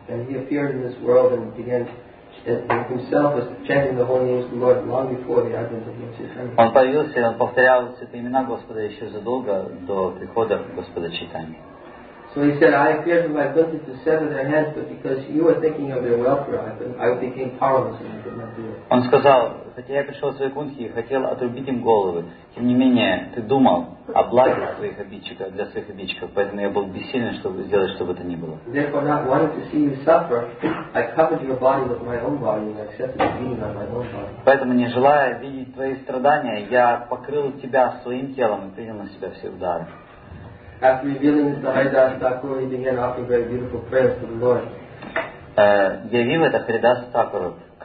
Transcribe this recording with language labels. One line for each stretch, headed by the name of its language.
Russian: Он появился и он повторял святые имена Господа еще задолго до прихода Господа Чайтанья.
English: So he said, I appeared in my ability to sever their heads, but because you were thinking of their welfare, I became powerless and I could not do it.
Russian: Он сказал, хотя я пришел в свои кунхи и хотел отрубить им головы, тем не менее, ты думал о благе своих обидчиков, для своих обидчиков, поэтому я был бессилен, чтобы сделать, чтобы это ни было.
English: Therefore, not wanting to see you suffer, I covered your body with my own body and accepted the beating on my own body.
Russian: Поэтому, не желая видеть твои страдания, я покрыл тебя своим телом и принял на себя все удары.
English: After revealing this to Haridas Thakur, he began offering very beautiful prayers to the Lord.
Russian: Явил это Харидасу Такуру.